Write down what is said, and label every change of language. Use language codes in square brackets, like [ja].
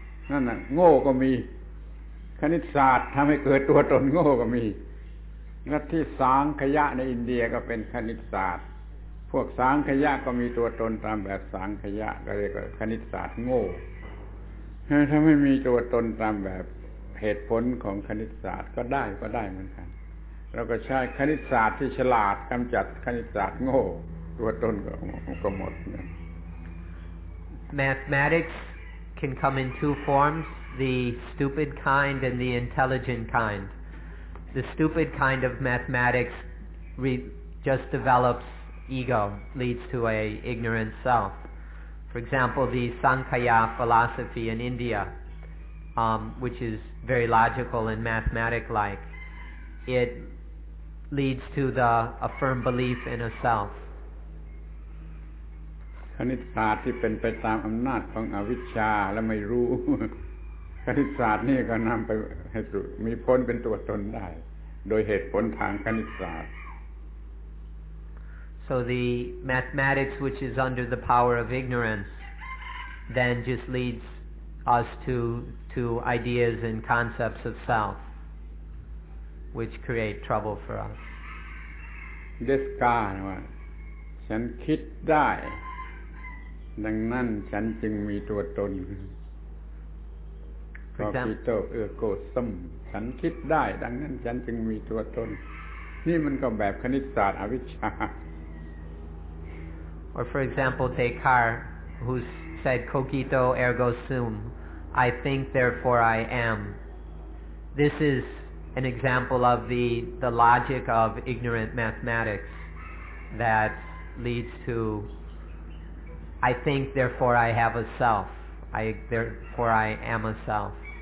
[th] นั่นน่ะโง่ก็มีคณิตศาสตร์ทำให้เกิดตัวตนโง่ก็มีลัทธิสังขยะในอินเดียก็เป็นคณิตศาสตร์พวกสังขยะก็มีตัวตนตามแบบสังขยะก็เรียกว่าคณิตศาสตร์โง่ถ้าไม่มีตัวตนตามแบบเหตุผลของคณิตศาสตร์ก็ได้เหมือนกันเราก็ใช้คณิตศาสตร์ที่ฉลาดกำจัดคณิตศาสตร์โง่ตัวตนก็หมด [en] Mathematics can come in two forms, the stupid kind and the intelligent kind. The stupid kind of mathematics just developsEgo leads to a ignorant self. For example, the Sankhya philosophy in India, which is very logical and mathematic-like, it leads to a firm belief in a self. [th] คณิตศาสตร์ที่เป็นไปตามอำนาจของอวิชชาและไม่รู้คณิตศาสตร์นี่ก็นำไปให้สุดมีพ้นเป็นตัวตนได้โดยเหตุผลทางคณิตศาสตร์ [en] So the mathematics which is under the power of ignorance then just leads us to ideas and concepts of self which create trouble for us. This guy, [th] ฉันคิดได้ดังนั้นฉันจึงมีตัวตนก็คิดโตเอือโกสมฉันคิดได้ดังนั้นฉันจึงมีตัวตนนี่มันก็แบบคณิตศาสตร์อวิชชา [en] Or for example, Descartes, who said, cogito ergo sum, I think therefore I am. This is an example of the logic of ignorant mathematics that leads to, I think therefore I have a self, therefore I am a self.